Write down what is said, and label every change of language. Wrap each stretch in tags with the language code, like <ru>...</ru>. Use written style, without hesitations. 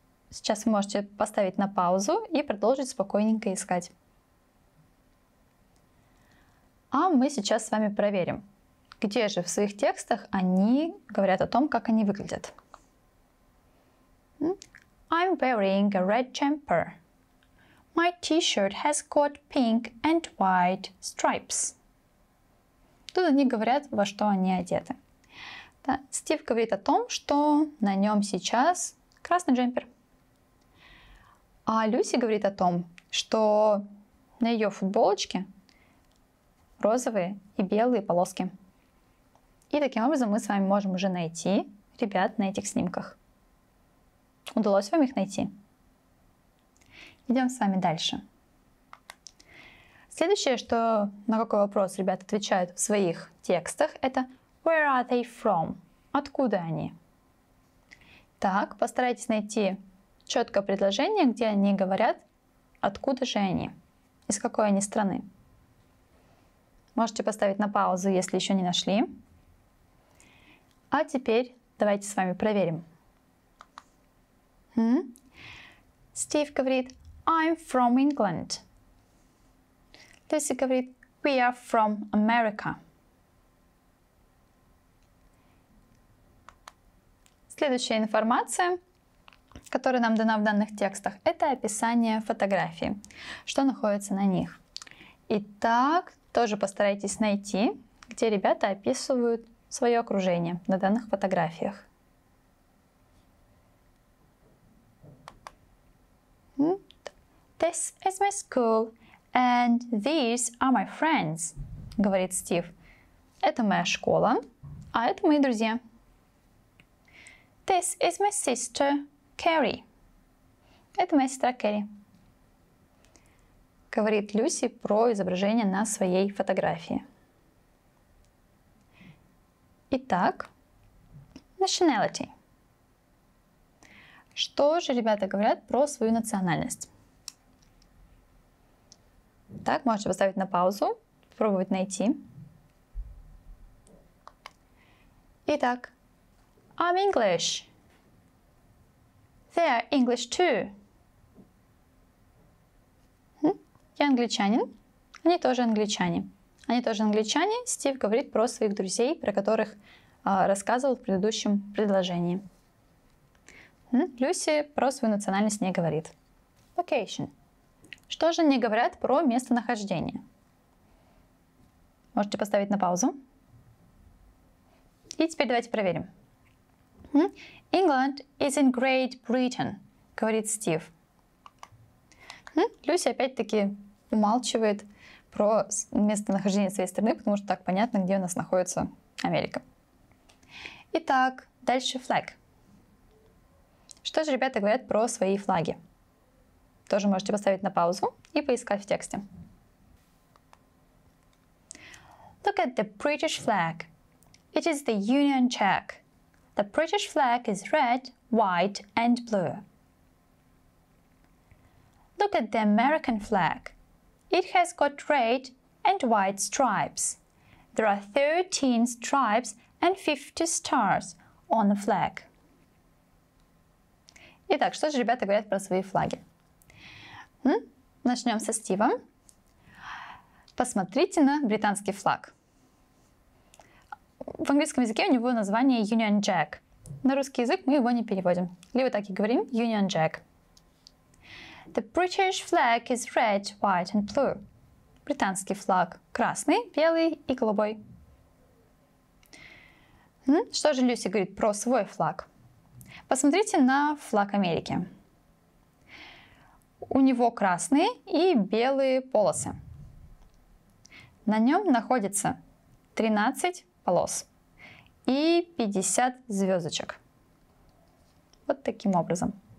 <ru>Сейчас вы можете поставить на паузу и продолжить спокойненько искать. А мы сейчас с вами проверим, где же в своих текстах они говорят о том, как они выглядят.</ru> <en>I'm wearing a red jumper. My t-shirt has got pink and white stripes.</en> <ru>Тут они говорят, во что они одеты. Да, Стив говорит о том, что на нем сейчас красный джемпер. А Люси говорит о том, что на ее футболочке розовые и белые полоски. И таким образом мы с вами можем уже найти ребят на этих снимках. Удалось вам их найти? Идем с вами дальше. Следующее, что на какой вопрос ребята отвечают в своих текстах, это</ru> <en>Where are they from?</en> <ru>Откуда они? Так, постарайтесь найти четкое предложение, где они говорят, откуда же они, из какой они страны. Можете поставить на паузу, если еще не нашли. А теперь давайте с вами проверим. Стив говорит,</ru> <en>I'm from England.</en> <ru>Люси говорит,</ru> <en>we are from America.</en> <ru>Следующая информация, которая нам дана в данных текстах, это описание фотографии, что находится на них. Итак, тоже постарайтесь найти, где ребята описывают свое окружение на данных фотографиях.</ru> <en>This is my school, and these are my friends,</en> <ru>говорит Стив. Это моя школа, а это мои друзья.</ru> <en>This is my sister, Carrie.</en> <ru>Это моя сестра Кэрри. Говорит Люси про изображение на своей фотографии. Итак, nationality. Что же ребята говорят про свою национальность? Так, можете поставить на паузу, попробовать найти. Итак,</ru> <en>I'm English. They are English too.</en> <ru>Я англичанин. Они тоже англичане. Они тоже англичане. Стив говорит про своих друзей, про которых рассказывал в предыдущем предложении. Люси про свою национальность не говорит.</ru> <en>Location.</en> <ru>Что же они говорят про местонахождение? Можете поставить на паузу. И теперь давайте проверим.</ru> <en>England is in Great Britain,</en> <ru>говорит Стив. Люси опять-таки умалчивает про местонахождение своей страны, потому что так понятно, где у нас находится Америка. Итак, дальше флаг. Что же ребята говорят про свои флаги? Тоже можете поставить на паузу и поискать в тексте.</ru> <en>Look at the British flag. It is the Union Jack. The British flag is red, white and blue. Look at the American flag. It has got red and white stripes. There are 13 stripes and 50 stars on the flag.</en> <ru>Итак, что же ребята говорят про свои флаги? Начнем со Стива. Посмотрите на британский флаг. В английском языке у него название Union Jack. На русский язык мы его не переводим. Либо так и говорим Union Jack.</ru> <en>The British flag is red, white and blue.</en> <ru>Британский флаг красный, белый и голубой. Что же Люси говорит про свой флаг? Посмотрите на флаг Америки. У него красные и белые полосы. На нем находится 13 полос и 50 звездочек. Вот таким образом.</ru>